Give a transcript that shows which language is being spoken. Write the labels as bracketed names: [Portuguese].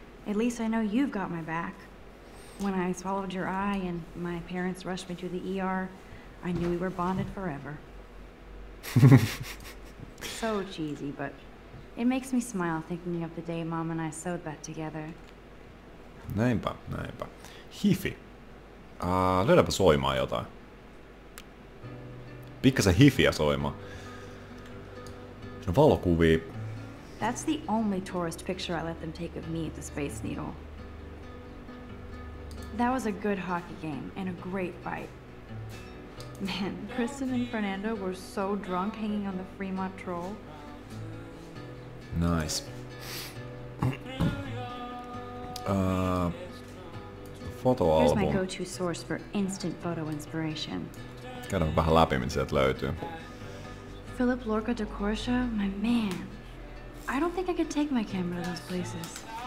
[English] At least I know you've got my back. When I swallowed your eye and my parents rushed me to the ER, I knew we were bonded forever. So cheesy, but it makes me smile thinking of the day Mom and I sewed that together. [Finnish] Näinpä. Hifi. Löydäpä soimaan jotain. Pikkasen hifiä soimaan. No valokuvia. [English] That's the only tourist picture I let them take of me at the Space Needle. That was a good hockey game and a great fight. Man, Kristen and Fernando were so drunk hanging on the Fremont Troll. Nice. Photoalbum. Here's my go-to source for instant photo inspiration. [Finnish] Käydään vähän läpi, mitä sieltä löytyy. [English] Philip Lorca de Corsia, my man. I don't think I could take my camera to those places.